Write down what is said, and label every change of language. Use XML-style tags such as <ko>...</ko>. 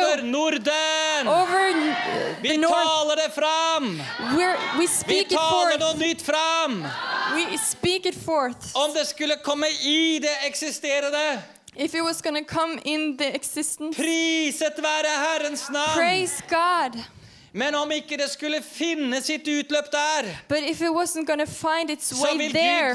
<no>Over Norden.</no> <en>Over</en> <no>vi</no> <en>the North.</en> <no>Vi taler det fram.</no> <en>We speak it forth.</en> <no>Vi taler noe nytt fram.</no> <en>We speak it forth.</en> <no>Om det skulle komme i det eksisterende.</no> <en>If it was going to come in the existence.</en> <no>Priset være Herrens navn.</no> <en>Praise God.</en> <no>Men om ikke det skulle finne sitt utløp der.</no> <en>But if it wasn't going to find its way there.</en>